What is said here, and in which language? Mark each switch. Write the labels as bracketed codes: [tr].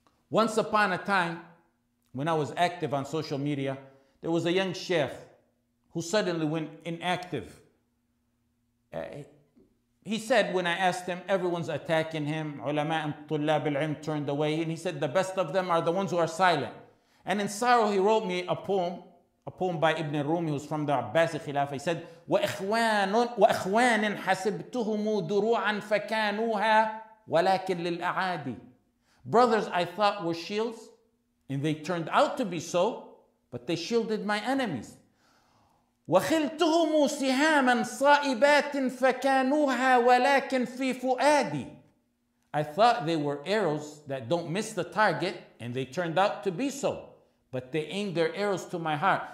[en] Once upon a time, when I was active on social media, there was a young sheikh who suddenly went inactive. He said, when I asked him, everyone's attacking him. Ulama and tulab al-ilm turned away. And he said, the best of them are the ones who are silent. And in sorrow, he wrote me a poem by Ibn Rumi, who's from the Abbasi Khilafah. He said, [ar] وَإِخْوَانٍ حَسِبْتُهُمُ دُرُوعًا فَكَانُوهَا وَلَكِنْ لِلْأَعَادِي. [en] Brothers I thought were shields, and they turned out to be so, but they shielded my enemies. [ar] وَخِلْتُهُمُ سِهَامًا صَائِبَاتٍ فَكَانُوهَا وَلَكِنْ فِي فُؤَادِي. [en] I thought they were arrows that don't miss the target, and they turned out to be so, but they aimed their arrows to my heart.